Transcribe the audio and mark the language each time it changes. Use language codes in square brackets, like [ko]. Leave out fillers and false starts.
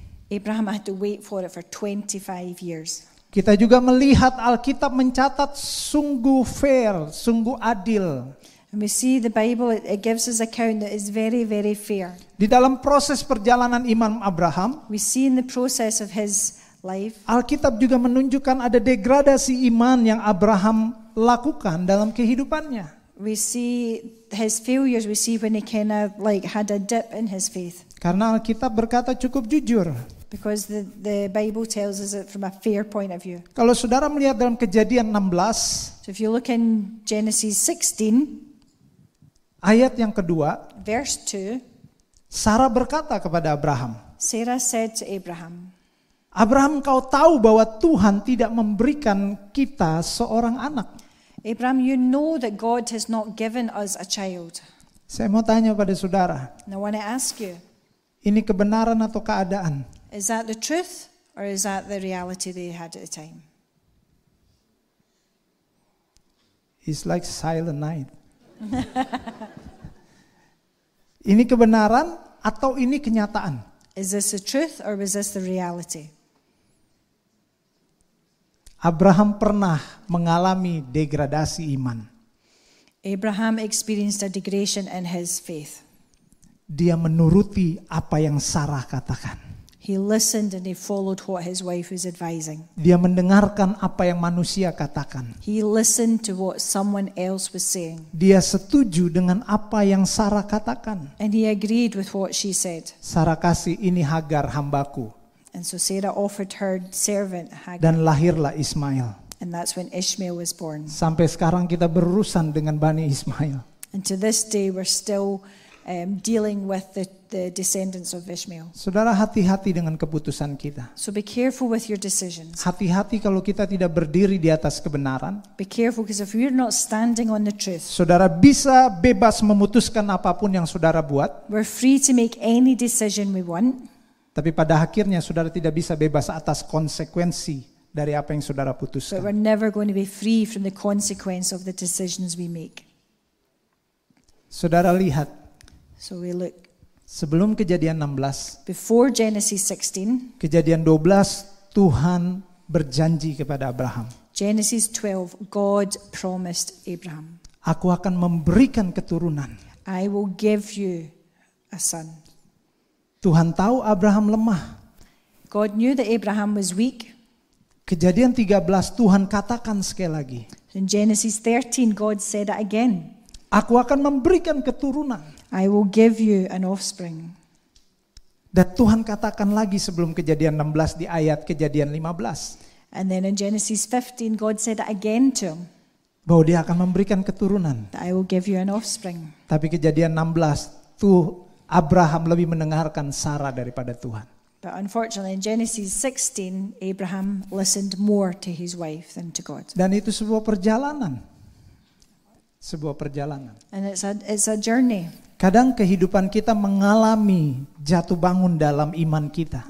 [en] Abraham had to wait for it for 25 years. [id] Kita juga melihat Alkitab mencatat sungguh fair, sungguh adil. [en] And we see the Bible, it gives us account that is very, very fair. [id] Di dalam proses perjalanan iman Abraham, [en] we see in the process of his life, [id] Alkitab juga menunjukkan ada degradasi iman yang Abraham lakukan dalam kehidupannya. [en] We see his failures, we see when he kind of like had a dip in his faith. [id] Karena Alkitab berkata cukup jujur. [en] Because the Bible tells us it from a fair point of view. [id] Kalau saudara melihat dalam Kejadian 16, [en] so if you look in Genesis 16, [id] ayat yang kedua, [en] verse 2, [id] Sarah berkata kepada Abraham, [en] Sarah said to Abraham, [id] Abraham, kau tahu bahwa Tuhan tidak memberikan kita seorang anak. [en] Abraham, you know that God has not given us a child. [id] Saya mau tanya pada saudara, [en] I want to ask you, [id] ini kebenaran atau keadaan? [en] Is that the truth, or is that the reality they had at the time? It's like silent night. [id] Ini kebenaran atau ini kenyataan? [en] Is this the truth or was this the reality? [id] Abraham pernah mengalami degradasi iman. [en] Abraham experienced a degradation in his faith. [id] Dia menuruti apa yang Sarah katakan. [en] He listened and he followed what his wife was advising. [id] Dia mendengarkan apa yang manusia katakan. [en] He listened to what someone else was saying. [id] Dia setuju dengan apa yang Sarah katakan. [en] And he agreed with what she said. [id] Sarah kasih ini Hagar hambaku. [en] And so Sarah offered her servant Hagar. [id] Dan lahirlah Ismail. [en] And that's when Ishmael was born. [id] Sampai sekarang kita berurusan dengan Bani Ismail. [en] And to this day we're still dealing with the descendants of Ishmael. [id] Saudara, hati-hati dengan keputusan kita. [en] So be careful with your decisions. [id] Hati-hati kalau kita tidak berdiri di atas kebenaran. [en] Be careful because if you're not standing on the truth. [id] Saudara bisa bebas memutuskan apapun yang saudara buat. [en] We're free to make any decision we want. [id] Tapi pada akhirnya saudara tidak bisa bebas atas konsekuensi dari apa yang saudara putuskan. [en] But we're never going to be free from the consequence of the decisions we make. [id] Saudara lihat. [en] So we look. [id] Sebelum kejadian 16. [en] Before Genesis 16. [id] Kejadian 12, Tuhan berjanji kepada Abraham. [en] Genesis 12, God promised Abraham. [id] Aku akan memberikan keturunan. [en] I will give you a son. [id] Tuhan tahu Abraham lemah. [en] God knew that Abraham was weak. [id] Kejadian 13, Tuhan katakan sekali lagi. [en] In Genesis 13, God said it again. [id] Aku akan memberikan keturunan. [en] I will give you an offspring. [id] Dan Tuhan katakan lagi sebelum kejadian 16 di ayat kejadian 15. [en] And then in Genesis 15, God said it again to him. [id] Bahwa dia akan memberikan keturunan. [en] I will give you an offspring. [id] Tapi kejadian 16, tuh Abraham lebih mendengarkan Sarah daripada Tuhan. [en] But unfortunately in Genesis 16, Abraham listened more to his wife than to God. [id] Dan itu sebuah perjalanan. Sebuah perjalanan. [en] And it's a journey. [id] Kadang kehidupan kita mengalami jatuh bangun dalam iman kita.